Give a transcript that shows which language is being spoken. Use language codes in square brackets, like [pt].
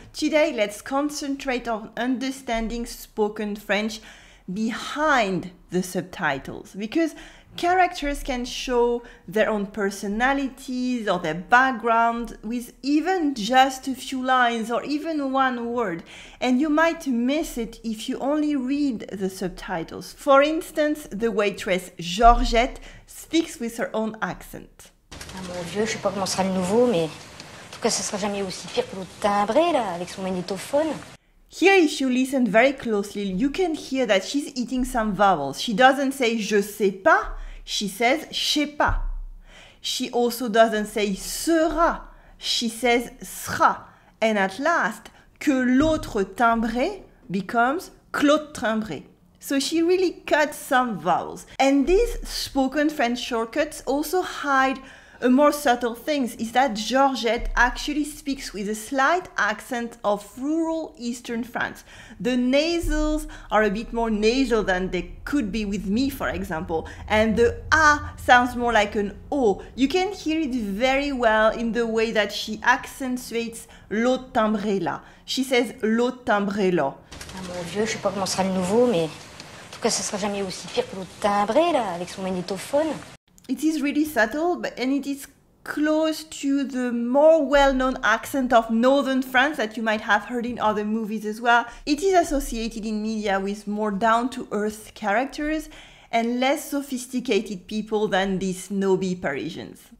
[en] Today, let's concentrate on understanding spoken French behind the subtitles, because characters can show their own personalities or their background with even just a few lines or even one word, and you might miss it if you only read the subtitles. For instance, the waitress Georgette speaks with her own accent. [fr] Ah mon Dieu, je sais pas comment ça sera de nouveau, mais en tout cas, ça sera jamais aussi pire que l'autre timbré là avec son magnétophone. [en] Here, if you listen very closely, you can hear that she's eating some vowels. She doesn't say [fr] je sais pas, [en] she says [fr] je sais pas. [en] She also doesn't say sera, she says sera. And at last, [fr] que l'autre timbré [en] becomes [fr] Claude timbré. [en] So she really cuts some vowels. And these spoken French shortcuts also hide a more subtle thing is that Georgette actually speaks with a slight accent of rural Eastern France. The nasals are a bit more nasal than they could be with me, for example, and the A sounds more like an O. You can hear it very well in the way that she accentuates [fr] l'autre timbré là. [en] She says [fr] l'autre timbré là. Ah mon Dieu, je sais pas comment ça sera de nouveau, mais en tout cas, ça sera jamais aussi pire que l'autre timbré là avec son magnétophone. [en] It is really subtle, but and it is close to the more well-known accent of Northern France that you might have heard in other movies as well. It is associated in media with more down-to-earth characters and less sophisticated people than these snobby Parisians.